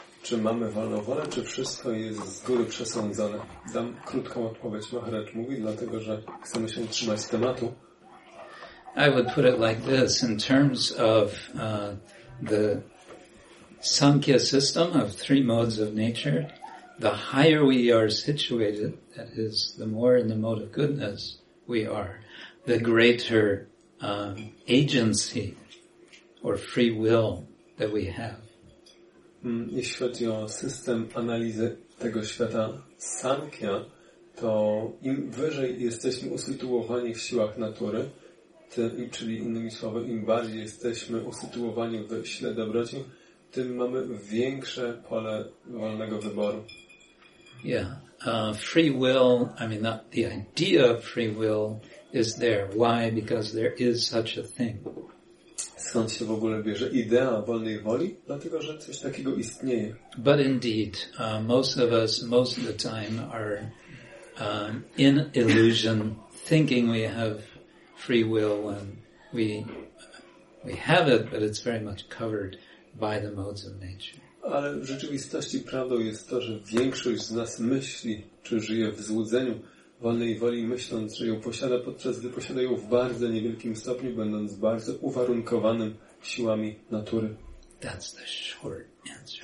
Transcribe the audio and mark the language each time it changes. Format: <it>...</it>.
<pl>Czy mamy wolną wolę, czy wszystko jest z góry przesądzone? Dam krótką odpowiedź. Maharaj mówi, dlatego że chcemy się trzymać tematu.</pl> <en>I would put it like this, in terms of the Sankhya system of three modes of nature, the higher we are situated, that is, the more in the mode of goodness we are, the greater agency or free will that we have.</en> <pl>Jeśli chodzi o system analizy tego świata Sankhya, to im wyżej jesteśmy usytuowani w siłach natury, czyli innymi słowy, im bardziej jesteśmy usytuowani w sile dobroci, tym mamy większe pole wolnego wyboru.</pl> <en>Yeah, free will, I mean, not the idea of free will is there. Why? Because there is such a thing.</en> <pl>Skąd się w ogóle bierze idea wolnej woli? Dlatego, że coś takiego istnieje.</pl> <en>But indeed, most of us, most of the time, are in illusion, thinking we have free will, when we have it, but it's very much covered by the modes of nature.</en> <pl>Ale w rzeczywistości prawdą jest to, że większość z nas myśli, czy żyje w złudzeniu wolnej woli, myśląc, że ją posiada, podczas gdy posiada ją w bardzo niewielkim stopniu, będąc bardzo uwarunkowanym siłami natury.</pl> <en>That's the short answer.</en>